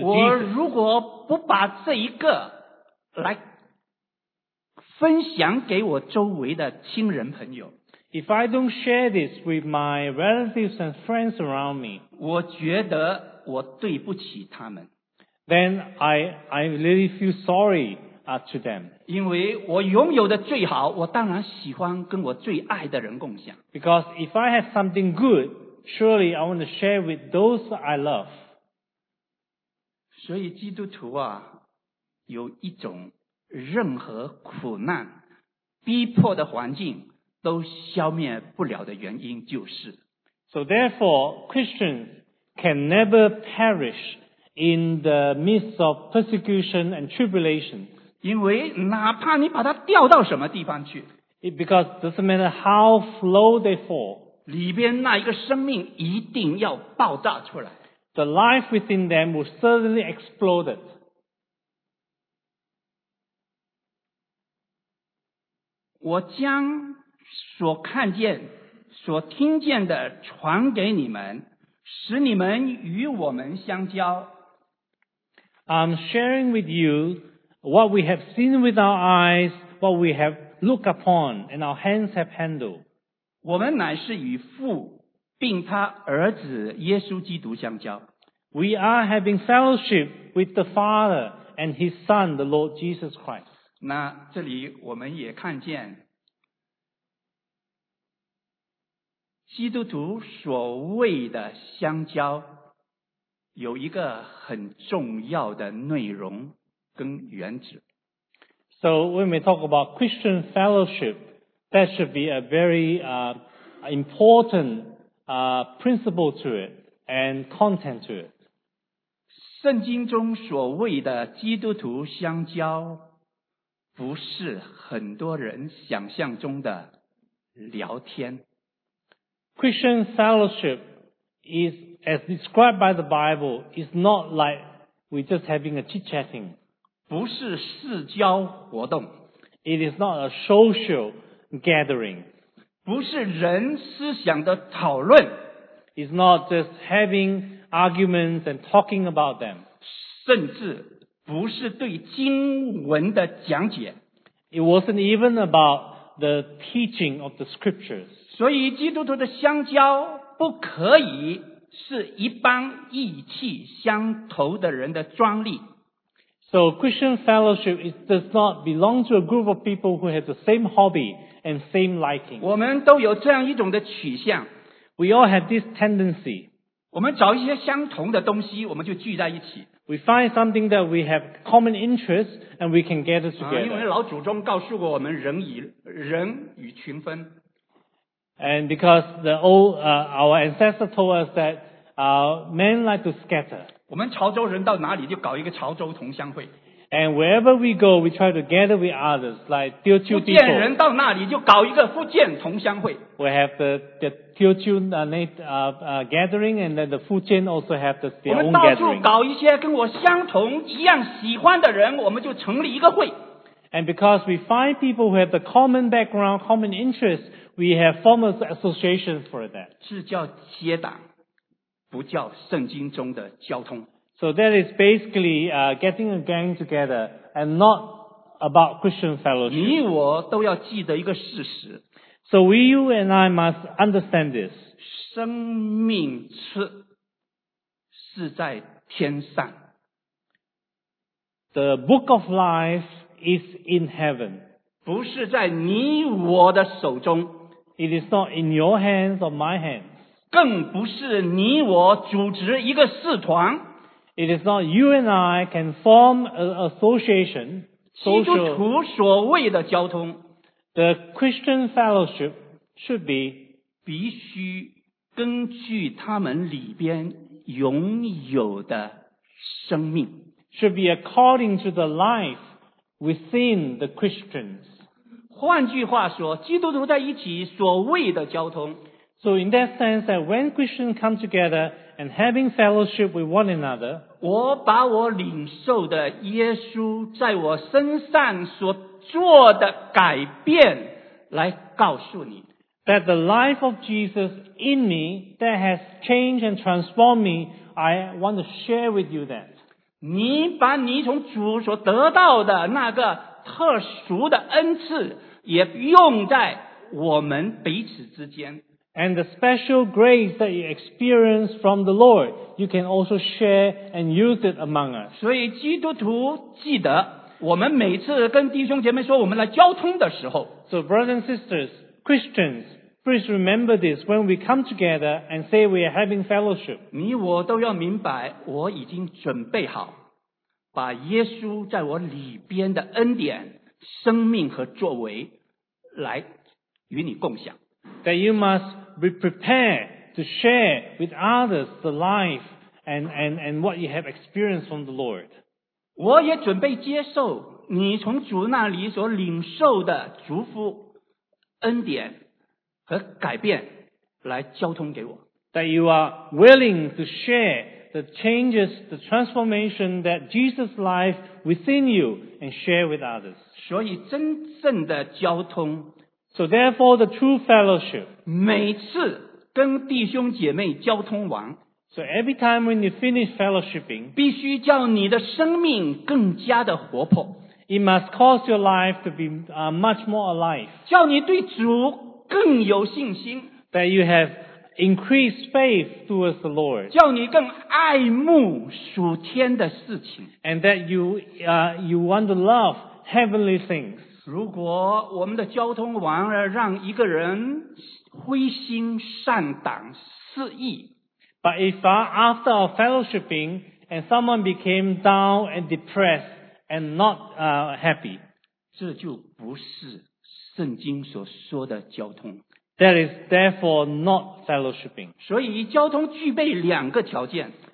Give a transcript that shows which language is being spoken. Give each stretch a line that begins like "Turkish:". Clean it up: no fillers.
Chinese: 我如果不把这一个来分享给我周围的亲人朋友，
English: If I don't share this with my relatives and friends around me,
Chinese: 我觉得我对不起他们。
English: Then I really feel sorry to them.
Chinese: 因为我拥有的最好，我当然喜欢跟我最爱的人共享。
English: Because if I have something good, surely I want to share with those I love.
Chinese: 所以基督徒啊，有一种任何苦难、逼迫的环境都消灭不了的原因，就是。
English: So therefore, Christians can never perish. In the midst of persecution and tribulation.
Chinese: 因为哪怕你把它掉到什么地方去，
English: Because it doesn't matter how low they fall.
Chinese: 里边那一个生命一定要爆炸出来。
English: The life within them will certainly explode.
Chinese: 我将所看见、所听见的传给你们，使你们与我们相交。
English: I'm sharing with you what we have seen with our eyes, what we have looked upon, and our hands have handled.
Chinese: 我们乃是与父并他儿子耶稣基督相交。
English: We are having fellowship with the Father and His Son, the Lord Jesus Christ.
Chinese: 那这里我们也看见基督徒所谓的相交有一个很重要的内容跟原则。
English: So when we talk about Christian fellowship, that should be a very important principle to it and content to it.
Chinese: 圣经中所谓的基督徒相交，不是很多人想象中的聊天。
English: Christian fellowship is. As described by the Bible, it's not like we're just having a chit-chatting.
Chinese: 不是社交活动。
English: It is not a social gathering.
Chinese: 不是人思想的讨论。
English: It's not just having arguments and talking about them.
Chinese: 甚至不是对经文的讲解。
English: It wasn't even about the teaching of the scriptures.
Chinese: 所以基督徒的相交不可以是一帮意气相投的人的专利。
English: So Christian fellowship does not belong to a group of people who have the same hobby and same liking.
Chinese: 我们都有这样一种的取向。
English: We all have this tendency.
Chinese: 我们找一些相同的东西，我们就聚在一起。
English: We find something that we have common interest and we can gather together.
Chinese: 因为老祖宗告诉过我们，人与群分。
English: And because the old, our ancestor told us that, men like to scatter.
Chinese: 我们潮州人到哪里就搞一个潮州同乡会。
English: And wherever we go, we try to gather with others, like Teochew people.
Chinese: 福建人到那里就搞一个福建同乡会。
English: We have the Teochew, gathering, and then the Fujian also have their own gathering.
Chinese: 我们到处搞一些跟我相同一样喜欢的人，我们就成立一个会。
English: And because we find people who have the common background, common interests, we have formal associations for that.
Chinese: 这叫接档，不叫圣经中的交通。
English: So that is basically getting a gang together and not about Christian fellowship.
Chinese: 你我都要记得一个事实。
English: So we, you and I must understand this.
Chinese: 生命赐是在天上。
English: The book of life is in heaven.
Chinese: 不是在你我的手中。
English: It is not in your hands or my hands.
Chinese: 更不是你我组织一个事团。
English: It is not you and I can form an association.
Chinese: 基督徒所谓的交通。
English: The Christian fellowship should be
Chinese: 必须根据他们里边拥有的生命。
English: Should be according to the life within the Christians.
Chinese: 换句话说，基督徒在一起所谓的交通。
English: So in that sense that when Christians come together and having fellowship with one another,
Chinese: 我把我领受的耶稣在我身上所做的改变来告诉你。
English: That the life of Jesus in me that has changed and transformed me, I want to share with you that.
Chinese: 你把你从主所得到的那个特殊的恩赐也用在我们彼此之间。
English: And the special grace that you experience from the Lord, you can also share and use it among us.
Chinese: 所以基督徒记得我们每次跟弟兄姐妹说我们来交通的时候。
English: So brothers and sisters, Christians, please remember this when we come together and say we are having fellowship.
Chinese: 你我都要明白我已经准备好把耶稣在我里边的恩典、生命和作为来与你共享。
English: That you must be prepared to share with others the life and what you have experienced from the Lord.
Chinese: 我也准备接受你从主那里所领受的祝福、恩典和改变来交通给我。
English: That you are willing to share the changes, the transformation that Jesus' life within you and share with others.
Chinese: 所以真正的交通
English: So therefore, the true fellowship.
Chinese: 每次跟弟兄姐妹交通完
English: So every time when you finish fellowshipping,
Chinese: 必须叫你的生命更加的活泼
English: It must cause your life to be much more alive.
Chinese: 叫你对主更有信心
English: That you have increased faith towards the Lord.
Chinese: 叫你更爱慕属天的事情
English: And that you want to love heavenly things.
Chinese: 如果我们的交通完了让一个人灰心丧胆失意
English: But if after our fellowshipping and someone became down and depressed and not happy
Chinese: 这就不是圣经所说的交通
English: That is therefore not fellowshipping
Chinese: 所以交通具备两个条件